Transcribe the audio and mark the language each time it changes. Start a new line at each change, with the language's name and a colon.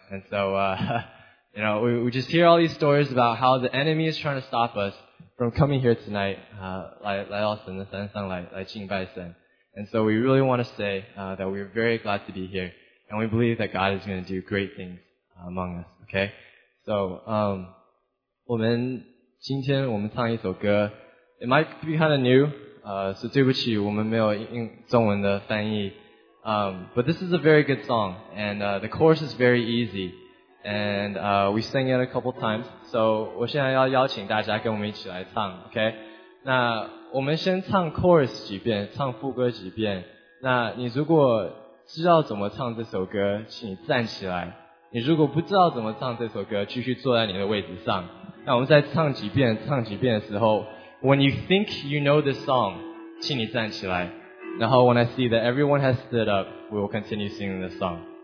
English: And so you know, we just hear all these stories about how the enemy is trying to stop us from coming here tonight,
Chinese: 来到神的山上来敬拜神.
English: And so we really want to say that we are very glad to be here, and we believe that God is going to do great things among us. Okay, so
Chinese: 我们今天我们唱一首歌.
English: It might be kind of new, so
Chinese: 对不起,我们没有中文的翻译.
English: But this is a very good song, and the chorus is very easy. And we sang it a couple times, so
Chinese: 我现在要邀请大家跟我们一起来唱,
English: okay?
Chinese: 那我们先唱 chorus 几遍，唱副歌几遍。那你如果知道怎么唱这首歌，请你站起来。你如果不知道怎么唱这首歌，继续坐在你的位置上。那我们再唱几遍，唱几遍的时候 ，
English: When you think you know the song，
Chinese: 请你站起来。然后
English: When I see that everyone has stood up， we will continue singing the song。